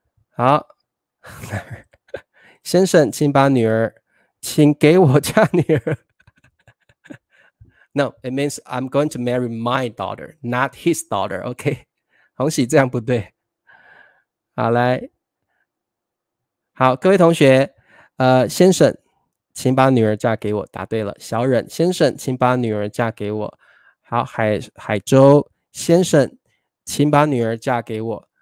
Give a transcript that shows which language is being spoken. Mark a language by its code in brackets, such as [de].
[zh] 好，先生，请把女儿，请给我嫁女儿。 [en] No, it means I'm going to marry my daughter, not his daughter. [zh] Okay, 恭喜，这样不对。好，来，好，各位同学，先生，请把女儿嫁给我。答对了，小忍，先生，请把女儿嫁给我。好，海州，先生，请把女儿嫁给我。